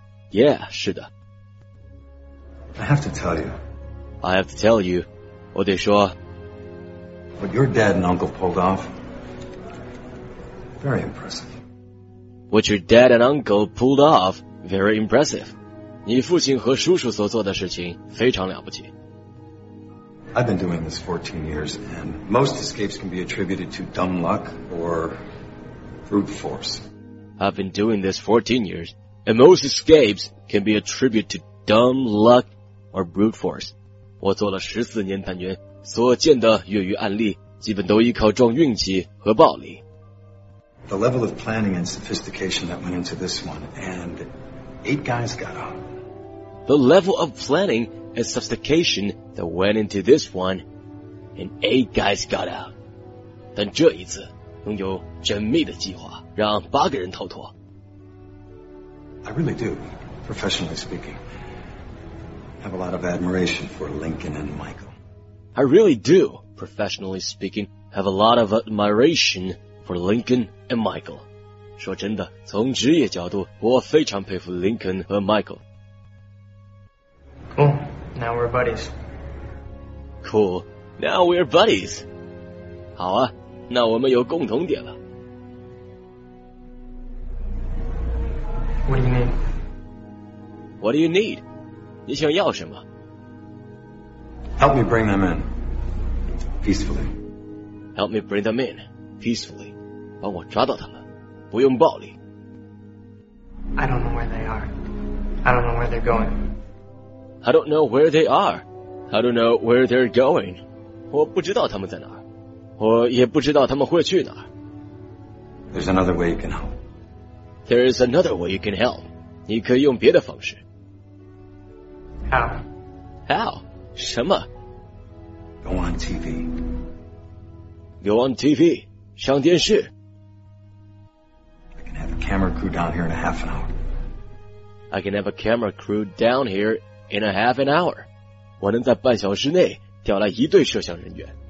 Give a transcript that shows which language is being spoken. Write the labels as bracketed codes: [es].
[zh] Yeah, 是的。 [en] I have to tell you. I have to tell you. [zh] 我得说。 [en] What your dad and uncle pulled off, very impressive. What your dad and uncle pulled off, very impressive. [zh] 你父亲和叔叔所做的事情非常了不起。 [en] I've been doing this 14 years, and most escapes can be attributed to dumb luck or brute force. I've been doing this 14 years, and most escapes can be attributed to dumb luck or brute force. [zh] 我做了14年探员，所见的越狱案例基本都依靠撞运气和暴力。 [en] The level of planning and sophistication that went into this one, and 8 guys got out. The level of planning and sophistication that went into this one, and 8 guys got out. [zh] 但这一次拥有缜密的计划让八个人逃脱。 [en] I really do, professionally speaking. have a lot of admiration for Lincoln and Michael. I really do, professionally speaking, have a lot of admiration for Lincoln and Michael. [zh] 说真的，从职业角度，我非常佩服 Lincoln 和 Michael。 [en] Cool, now we're buddies. Cool, now we're buddies. [zh] 好啊，那我们有共同点了。 [en] What do you need? What do you need? [zh] 你想要什么？ [en] Help me bring them in. Peacefully. Help me bring them in. Peacefully. [zh] 帮我抓到他们，不用暴力。 [en] I don't know where they are. I don't know where they're going. I don't know where they are. I don't know where they're going. [zh] 我不知道他们在哪儿，我也不知道他们会去哪儿。 [en] There's another way you can help. There is another way you can help. [zh] 你可以用别的方式。 [en] How? How? [zh] 什么 [en] Go on TV. Go on TV. [zh] 上电视。 [en] I can have a camera crew down here in a half an hour. I can have a camera crew down here in a half an hour. [zh] 我能在半小时内调来一队摄像人员。